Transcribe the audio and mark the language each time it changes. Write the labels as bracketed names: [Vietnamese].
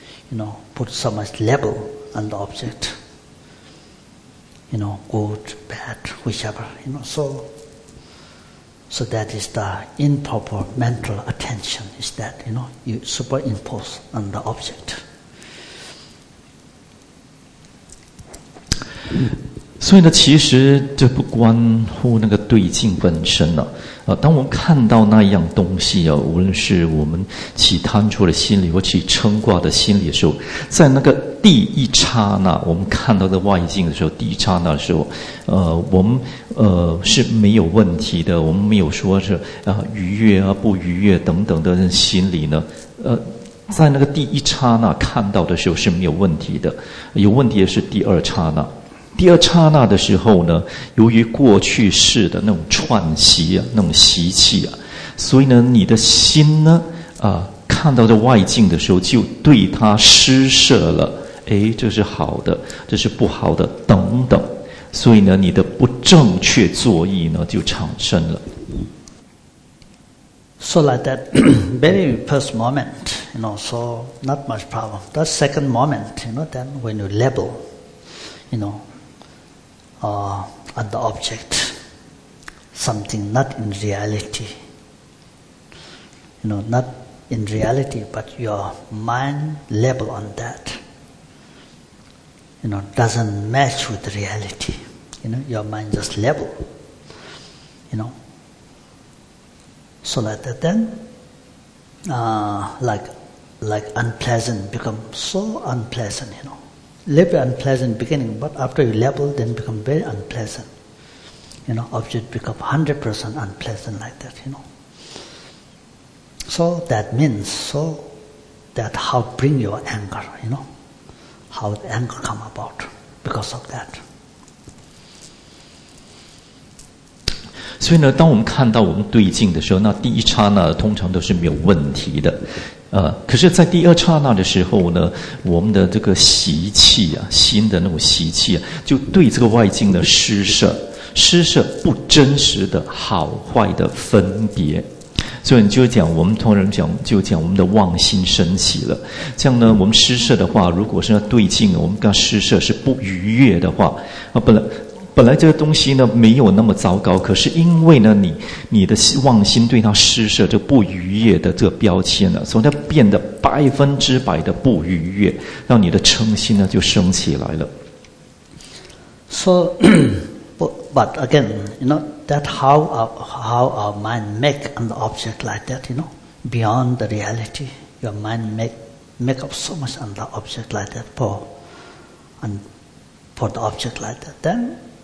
[English] You know, put so much level on the object. You know, good, bad, whichever. You know, so that is the improper mental attention. Is that you know you superimpose on the object. [Chinese] 所以呢，其实这不关乎那个对境本身了、当我们看到那一样东西啊，无论是我们起贪出的心理或起撑挂的心理的时候，在那个第一刹那，我们看到的外境的时候，第一刹那的时候，我们是没有问题的，我们没有说是啊愉悦啊不愉悦等等的心理呢，在那个第一刹那看到的时候是没有问题的，有问题的是第二刹那。第二刹那的时候呢，由于过去式的那种串习啊，那种习气啊，所以呢，你的心呢，看到这外境的时候，就对它施舍了，哎，这是好的，这是不好的，等等，所以呢，你的不正确作意呢，就产生了。 [English] So like that very first moment, you know, so not much problem. That second moment, you know, then when you level, you know. At the object, something not in reality. You know, not in reality, but your mind level on that. You know, doesn't match with reality. You know, your mind just level. You know. So like that then, like unpleasant become so unpleasant, you know. Very unpleasant beginning, but after you level, then become very unpleasant. You know, object become 100% unpleasant like that, you know. So that means, so that how bring your anger, you know, how the anger come about because of that. [Chinese] 所以呢，当我们看到我们对境的时候，那第一刹那通常都是没有问题的，可是在第二刹那的时候呢，我们的这个习气啊，心的那种习气啊，就对这个外境的施舍不真实的好坏的分别。所以你就讲，我们通常讲就讲我们的妄心升起了。这样呢，我们施舍的话，如果是要对境，我们跟施舍是不愉悦的话，本来这个东西呢没有那么糟糕，可是因为呢你的妄心对它施舍这不愉悦的这个标签呢，所以它变得百分之百的不愉悦，让你的嗔心呢就升起来了。 [English] So, but again, you know, that how our mind make an object like that, you know, beyond the reality, your mind make up so much on the object like that for the object like that, then.